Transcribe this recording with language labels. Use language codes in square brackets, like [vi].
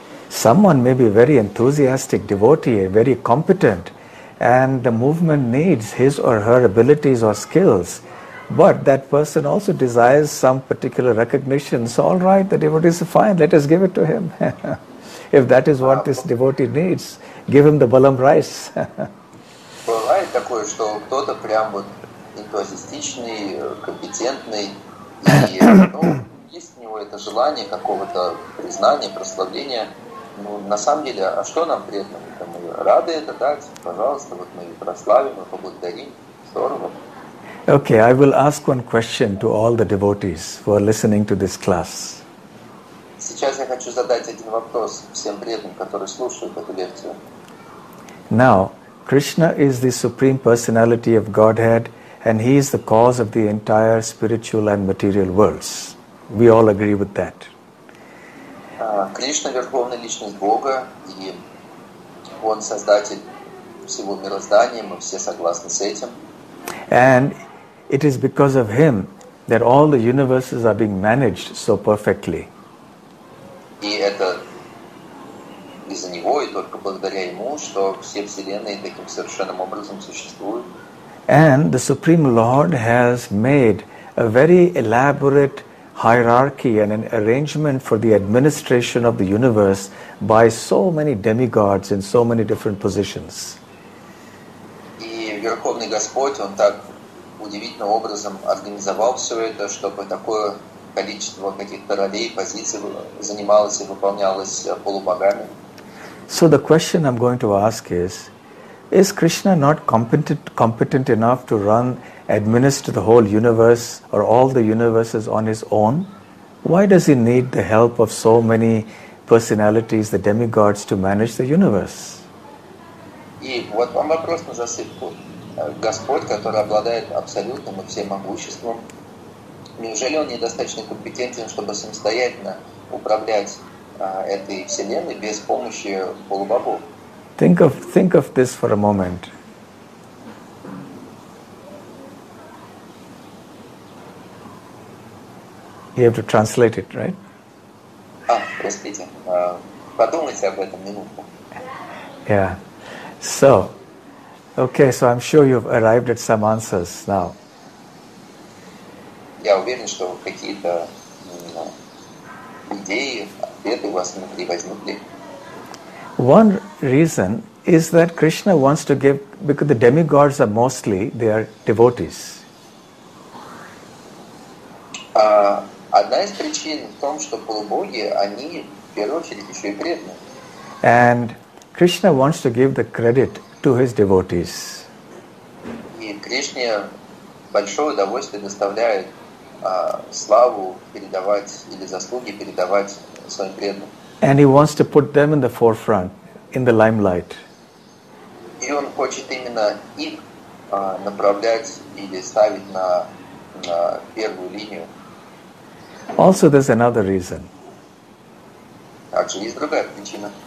[en] Someone may be a very enthusiastic devotee, very competent, and the movement needs his or her abilities or skills. But that person also desires some particular recognition. So, all right, the devotee says, fine, let us give it to him. If that is what this devotee needs, give him the balam rice. [ru] Бывает такое, что кто-то прям вот энтузиастичный, компетентный, и есть у него это желание какого-то признания, прославления. Ну, на самом деле, а что нам преданному? Мы рады это дать, пожалуйста, вот мы прославим, мы поблагодарим, здорово. [en] Okay, I will ask one question to all the devotees who are listening to this class. [ru] Сейчас я хочу задать один вопрос всем преданным, которые слушают эту лекцию. [en] Now, Krishna is the Supreme Personality of Godhead, and He is the cause of the entire spiritual and material worlds. We all agree with that. [ru] Кришна — Верховная Личность Бога, и Он — Создатель всего мироздания, мы все согласны с этим. [en] And it is because of Him that all the universes are being managed so perfectly. [ru] И это из-за Него, и только благодаря Ему, что все вселенные таким совершенным образом существуют. [en] And the Supreme Lord has made a very elaborate hierarchy and an arrangement for the administration of the universe by so many demigods in so many different positions. [ru] И Верховный Господь, Он так удивительным образом организовал все это, чтобы такое количество каких-то ролей, позиций занималось и выполнялось полубогами. [en] So the question I'm going to ask is Krishna not competent enough to run, administer the whole universe or all the universes on his own? Why does he need the help of so many personalities, the demigods, to manage the universe? [ru] И вот вам вопрос на засыпку. Господь, который обладает абсолютным и всем могуществом, неужели он недостаточно компетентен, чтобы самостоятельно управлять этой вселенной без помощи полубогов? [en] Think of this for a moment. You have to translate it, right? [ru] Ah, простите. Подумайте об этом минутку. [en] Yeah. So, okay, so I'm sure you've arrived at some answers now. [ru] Я уверен, что какие-то идеи, ответы у вас внутри возникли. [en] One reason is that Krishna wants to give, because the demigods are mostly, they are devotees. [ru] Одна из причин в том, что полубоги, они в первую очередь еще и преданные. [en] And Krishna wants to give the credit to his devotees. [ru] И Кришне большое удовольствие доставляет славу передавать или заслуги передавать своим преданным. [en] And he wants to put them in the forefront, in the limelight. [ru] И он хочет именно их направлять или ставить на первую линию. [en] Also, there's another reason. [ru] Также есть другая причина.